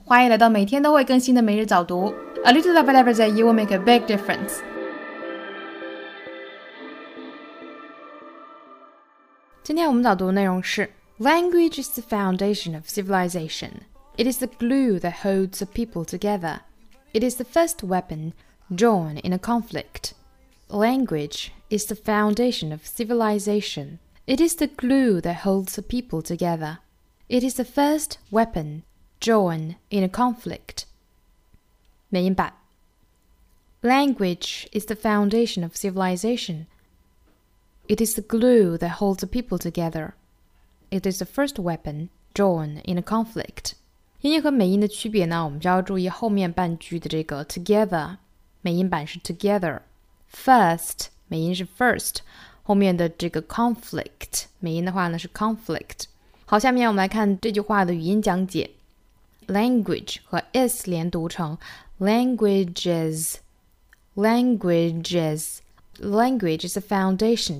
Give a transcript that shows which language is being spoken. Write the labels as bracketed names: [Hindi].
[Chinese] 欢迎来到每天都会更新的每日早读。 [English] A little of it every day, you will make a big difference. [Chinese] 今天我们早读的内容是 [English] Language is the foundation of civilization. It is the glue that holds the people together. It is the first weapon drawn in a conflict. Language is the foundation of civilization. It is the glue that holds the people together. It is the first weapon drawn in a conflict. 美音版 Language is the foundation of civilization. It is the glue that holds the people together. It is the first weapon drawn in a conflict. [Chinese] 音和美音的区别呢，我们就要注意后面半句的这个 together. 美音版是 together. First, 美音是 first. 后面的这个 conflict, 美音的话呢是 conflict. 好，下面我们来看这句话的语音讲解。 Language 和 is 连读成 languages, [English] languages. Language is the foundation.